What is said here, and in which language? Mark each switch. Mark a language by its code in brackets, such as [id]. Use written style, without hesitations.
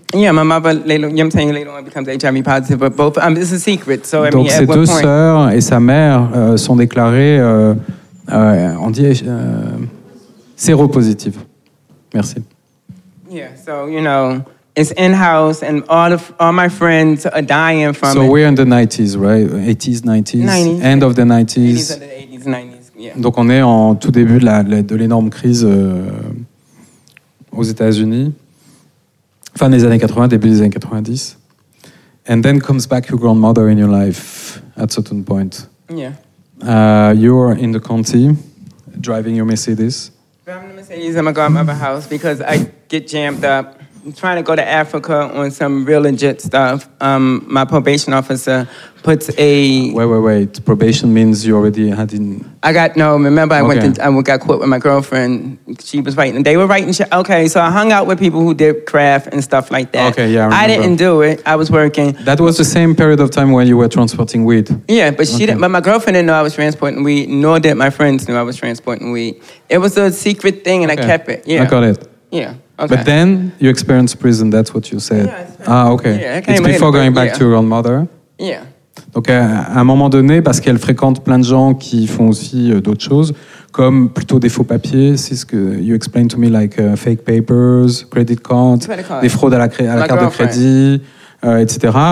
[en] Yeah, my mother, later, you know I'm saying, later on becomes HIV positive, but both, it's a secret. So, [fr] donc ses deux sœurs et sa mère sont déclarées, on dit, séropositives. Merci. [en] Yeah, so, you know, it's in-house and all my friends are dying from so it. So we're in the 90s, right? 80s, 90s? 90s. End of the 90s. 80s, 90s. Yeah. [fr] Donc on est en tout début de l'énorme crise aux États-Unis, fin des années 80, début des années 90. [en] And then comes back your grandmother in your life at certain point. Yeah. You're in the county, driving your Mercedes. Driving the Mercedes in my grandmother's house because I get jammed up. I'm trying to go to Africa on some real legit stuff. My probation officer puts a... Wait. Probation means you already had in... I got caught with my girlfriend. She was writing. They were writing... Okay, so I hung out with people who did craft and stuff like that. Okay, yeah, I remember. I didn't do it. I was working. That was the same period of time when you were transporting weed. Yeah, but she didn't... But my girlfriend didn't know I was transporting weed, nor did my friends know I was transporting weed. It was a secret thing, and okay. I kept it. Yeah, I got it. Yeah. Okay. But then you experienced prison, that's what you said. Yeah, okay. Yeah, it's before going back to your grandmother. Yeah. [fr] Donc, à un moment donné, parce qu'elle fréquente plein de gens qui font aussi d'autres choses, comme plutôt des faux papiers, c'est ce que you explained to me, like fake papers, credit cards, des fraudes à la carte de crédit, etc.